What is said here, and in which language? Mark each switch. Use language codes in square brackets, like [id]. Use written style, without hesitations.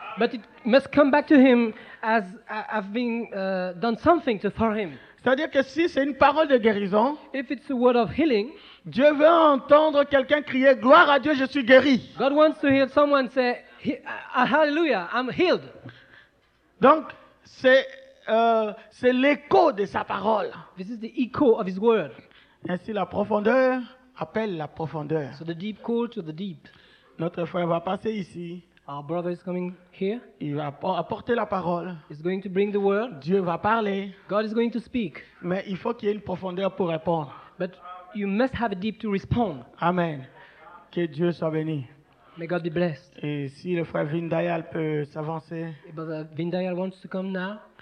[en] But it must come back to him as having done something to for him. [fr] C'est-à-dire que si c'est une parole de guérison, [en] if it's a word of healing, [fr] Dieu veut entendre quelqu'un crier gloire à Dieu, je suis guéri. [en] God wants to hear someone say hallelujah, I'm healed. [fr] Donc c'est l'écho de sa parole. [en] This is the echo of his word. [fr] Ainsi la profondeur appelle la profondeur. [en] So the deep calls to the deep. [fr] Notre frère va passer ici. [en] Our brother is coming here. [fr] Il va apporter la parole. [en] He's going to bring the word. [fr] Dieu va parler. [en] God is going to speak. [fr] Mais il faut qu'il y ait une profondeur pour répondre. [en] But you must have a deep to respond. [fr] Amen. Que Dieu soit béni. [en] May God be blessed. [fr] Et si le frère Vindayal peut s'avancer. [en] Brother Vindayal wants to come now.